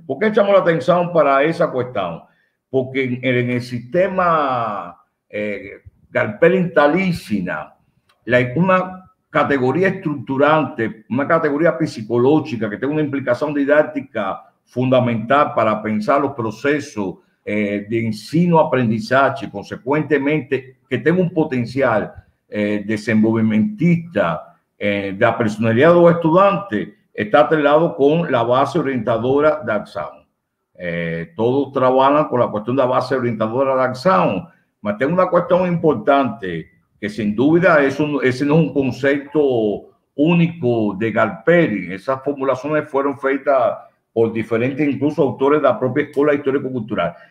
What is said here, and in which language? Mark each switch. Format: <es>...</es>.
<pt>Por que chamo a atenção para essa questão?</pt> <es>Porque en el sistema Galperin-Talisina, una categoría estructurante, una categoría psicológica que tiene una implicación didáctica fundamental para pensar los procesos de ensino-aprendizaje, consecuentemente, que tenga un potencial desenvolvimentista de la personalidad de los estudiantes, está atrelado con la base orientadora de Axam.</es> <pt>Todos trabalham com a questão da base orientadora da ação, mas tem uma questão importante que sem dúvida esse não é um conceito único de Galperi. Essas formulações foram feitas por diferentes, incluso autores da própria Escola Histórico-Cultural.</pt>